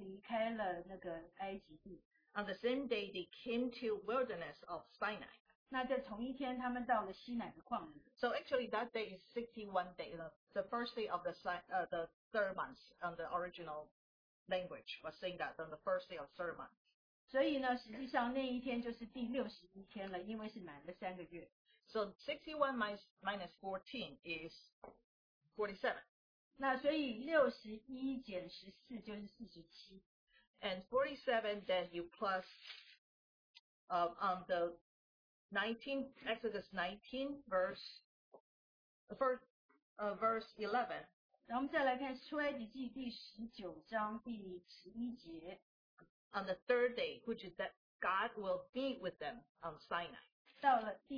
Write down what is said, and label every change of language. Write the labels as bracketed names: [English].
[English] On the same day, they came to the wilderness of Sinai. So actually, that day is 61 days. The first day of the third month on the original language was saying that on the first day of the third month. [Chinese] 所以呢，实际上那一天就是第61天了， 因为是满了三个月。 [English] So 61 minus 14 is 47. [Chinese] 那所以61减14就是47. [English] And 47, then you plus on the 19 Exodus 19 verse 11. [Chinese] 然后我们再来看出埃及记第19章第11节. [English] On the third day, which is that God will be with them on Sinai.